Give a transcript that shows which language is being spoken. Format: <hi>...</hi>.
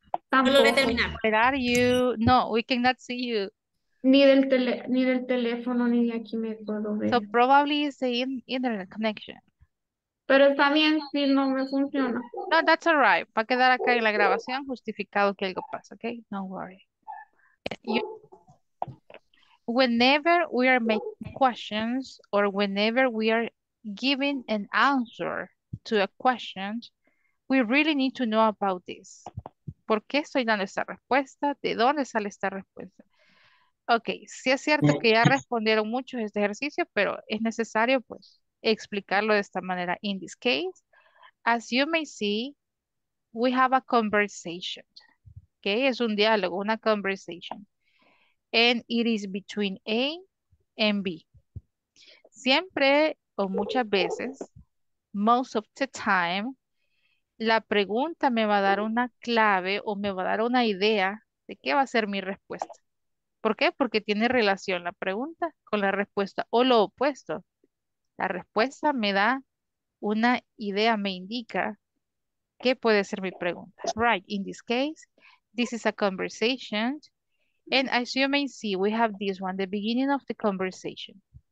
<es>Tampoco.</es> <en>Where are you? No, we cannot see you.</en> <es>Ni del teléfono, ni de aquí me puedo ver.</es> <en>So probably it's the internet connection.</en> <es>Pero está bien si no me funciona.</es> <en>No, that's all right.</en> <es>Va a quedar acá en la grabación justificado que algo pasa, ¿ok?</es> <en>No worry. Whenever we are making questions or whenever we are giving an answer to a question, we really need to know about this.</en> <es>¿Por qué estoy dando esta respuesta? ¿De dónde sale esta respuesta? Ok, sí es cierto que ya respondieron mucho este ejercicio, pero es necesario pues explicarlo de esta manera.</es> <en>In this case, as you may see, we have a conversation.</en> <es>Ok, es un diálogo, una conversation.</es> <en>And it is between A and B.</en> <es>Siempre o muchas veces,</es> <en>most of the time,</en> <es>la pregunta me va a dar una clave o me va a dar una idea de qué va a ser mi respuesta. ¿Por qué? Porque tiene relación la pregunta con la respuesta o lo opuesto. La respuesta me da una idea, me indica qué puede ser mi pregunta.</es> <en>Right, in this case, this is a conversation. And as you may see, we have this one, the beginning of the conversation.</en>